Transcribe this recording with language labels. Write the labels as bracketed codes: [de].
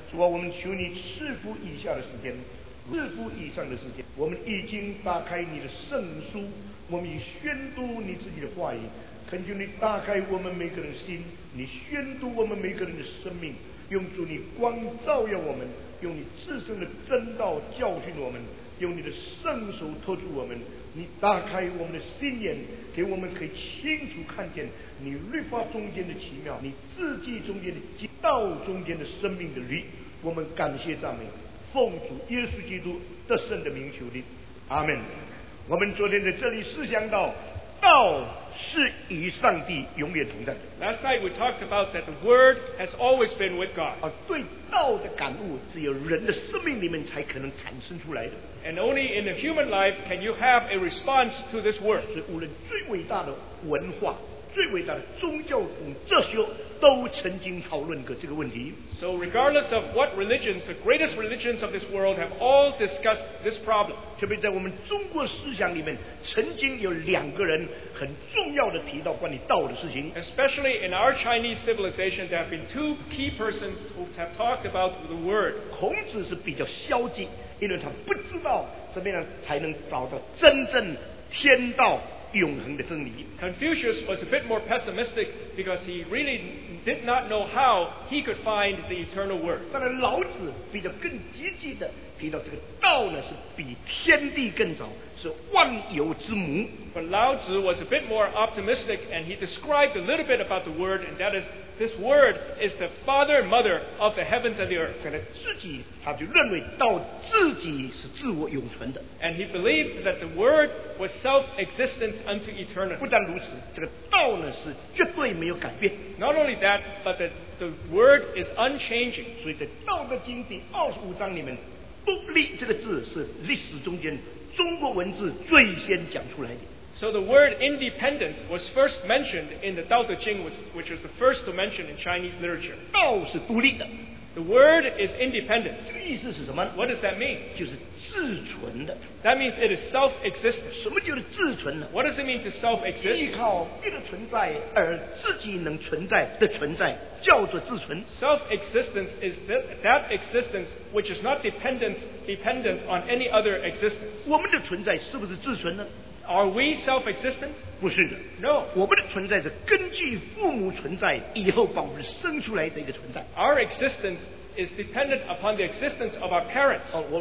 [zh] 主啊我们求你赐福以下的时间四福以上的时间我们已经打开你的圣书我们已宣读你自己的话语恳求你打开我们每个人的心你宣读我们每个人的生命用主你光照耀我们用你自身的真道教训我们用你的圣手托住我们你打开我们的心眼给我们可以清楚看见你律法中间的奇妙你字迹中间的道中间的生命的理我们感谢赞美奉主耶稣基督得胜的名求你阿们我们昨天在这里思想到道是与上帝永远同在 [en] Last night we talked about that the word has always been with God [zh] 对道的感悟只有人的生命里面才可能产生出来的 [en] And only in the human life can you have a response to this word [zh] 所以无论最伟大的文化最伟大的宗教统哲学都曾经讨论过这个问题 [en] So regardless of what religions the greatest religions of this world have all discussed this problem [zh] 特别在我们中国思想里面曾经有两个人很重要的提到关于道的事情 [en] Especially in our Chinese civilization there have been two key persons who have talked about the word [zh] 孔子是比较消极因为他不知道怎么样才能找到真正天道永恒的真理 [en] Confucius was a bit more pessimistic because he really did not know how he could find the eternal word. [zh] 当然老子比较更积极的提到这个道呢是比天地更早是万有之母 [en] But Lao Tzu was a bit more optimistic and he described a little bit about the word and that is this word is the father and mother of the heavens and the earth. [zh] 可能自己他就认为道自己是自我永存的 [en] And he believed that the word was self-existent unto eternity. [zh] 不但如此这个道呢是绝对没有改变 [en] Not only that but that the word is unchanging. [zh] 所以在道德经第二十五章里面独立这个字是历史中间中国文字最先讲出来的 [en] So the word independence was first mentioned in the Tao Te Ching which was the first to mention in Chinese literature [zh] 道是独立的 [en] The word is independent. [zh] 这个意思是什么呢? [en] What does that mean? [zh] 就是自存的。 [en] That means it is self-existent. [zh] 什么就是自存呢? [en] What does it mean to self-exist? [zh] 依靠别的存在而自己能存在的存在叫做自存。 [en] Self-existence is that existence which is not dependent on any other existence. [zh] 我们的存在是不是自存呢? [en] Are we self-existent? [zh] 不是的。 [en] No. [zh] 我们的存在是根据父母存在以后把我们生出来的一个存在。 [en] Our existence is dependent upon the existence of our parents.